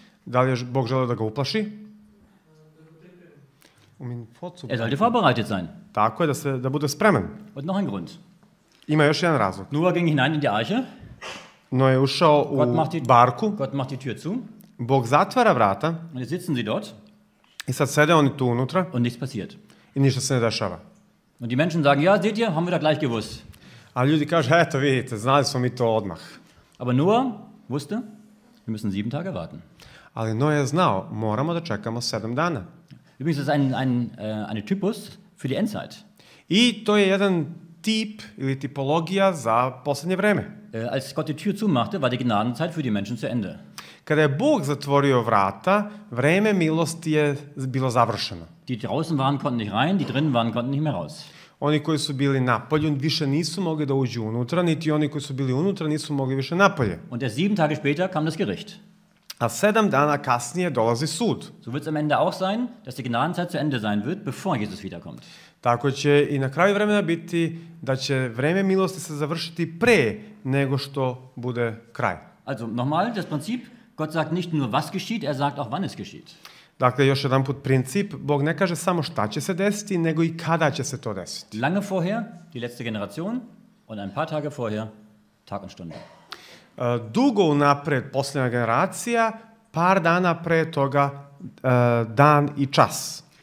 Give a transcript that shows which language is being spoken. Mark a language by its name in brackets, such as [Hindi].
[Serbian] Da li je Bog želeo da ga uplaši? [German] Er sollte vorbereitet sein. [Serbian] Tako je, da bude spreman. [German] Und noch ein Grund. [Serbian] Ima još jedan razlog. [German] Noah ging hinein in die Arche. [Serbian] Noah je ušao u barku. [German] Gott macht die Tür zu. [Serbian] Bog zatvara vrata. [German] Und jetzt sitzen sie dort. [Serbian] I sad sede oni tu unutra. [German] Und nichts passiert. [Serbian] I ništa se ne dešava. [German] Und die Menschen sagen, ja, seht ihr, haben wir da gleich gewusst. [Serbian] A ljudi kažu, eto vidite, znali smo mi to odmah. [German] Aber Noah wusste, wir müssen 7 Tage warten. [Serbian] Ali Noah je znao, moramo da čekamo 7 dana. [German] Übrigens, das ist ein Typus für die Endzeit. [Serbian] I to je jedan tip ili tipologija za poslednje vreme. [German] Als Gott die Tür zumachte, war die Gnadenzeit für die Menschen zu Ende. [Serbian] Kada je Bog zatvorio vrata, vreme milosti je bilo završeno. [German] Die draußen waren, konnten nicht rein, die drinnen waren, konnten nicht mehr raus. [Serbian] Oni koji su bili napolje više nisu mogli da uđu unutra, niti oni koji su bili unutra nisu mogli više napolje. [German] Und erst 7 Tage später kam das Gericht. [Serbian] A 7 dana kasnije dolazi sud. [German] So wird es am Ende auch sein, dass die Gnadenzeit zu Ende sein wird, bevor Jesus wiederkommt. [Serbian] Tako će i na kraju vremena biti da će vreme milosti se završiti pre nego što bude kraj. [German] Also nochmal, das Prinzip, Gott sagt nicht nur was geschieht, er sagt auch wann es geschieht. [Serbian] Dakle, još jedan put princip, Bog ne kaže samo šta će se desiti, nego i kada će se to desiti. [German] Lange vorher, die letzte Generation. Und ein paar Tage vorher Tag und Stunde. [Serbian] Dugo unapred poslednja generacija, par dana pre toga dan i čas.